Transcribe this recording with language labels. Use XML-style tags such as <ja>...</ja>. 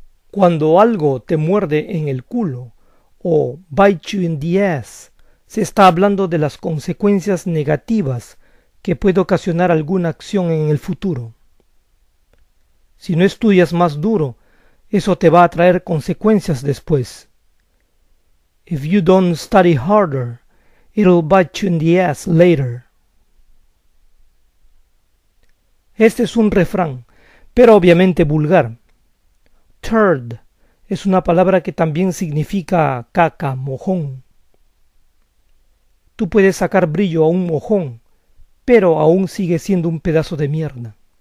<es>Cuando algo te muerde en el culo o</es> <en>bite you in the ass,</en> <es>se está hablando de las consecuencias negativas que puede ocasionar alguna acción en el futuro. Si no estudias más duro, eso te va a traer consecuencias después.</es> <en>If you don't study harder, it'll bite you in the ass later.</en> <es>Este es un refrán, pero obviamente vulgar. Turd es una palabra que también significa caca, mojón. Tú puedes sacar brillo a un mojón, pero aún sigue siendo un pedazo de mierda.</es>